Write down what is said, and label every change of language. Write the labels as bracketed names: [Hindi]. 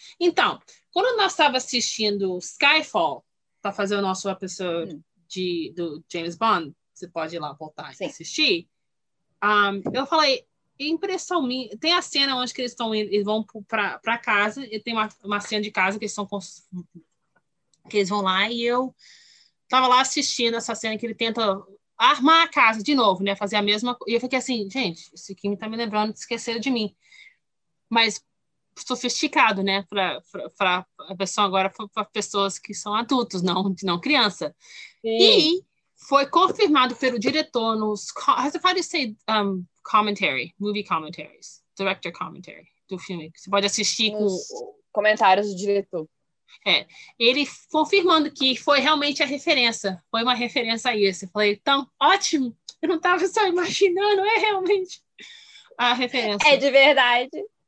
[Portuguese] Então, quando nós estávamos assistindo Skyfall, para fazer o nosso episódio do James Bond, você pode ir lá voltar e assistir, eu falei, impressão minha, tem a cena onde que eles estão indo, eles vão para casa, e tem uma cena de casa que eles, que eles vão lá, e eu tava lá assistindo essa cena que ele tenta armar a casa de novo, né? Fazer a mesma coisa. E eu fiquei assim, gente, esse Kim tá me lembrando de esquecer de mim. Mas sofisticado, né? Para a pessoa agora, para pessoas que são adultos, não criança. Sim. E foi confirmado pelo diretor nos... [English] How do you say commentary? Movie commentaries. Director commentary [Portuguese] do filme. Você pode assistir com... comentários do diretor. É, ele confirmando que foi realmente a referência, foi uma referência a isso. Eu falei, então, ótimo, eu não estava só imaginando, é realmente a referência. É de verdade.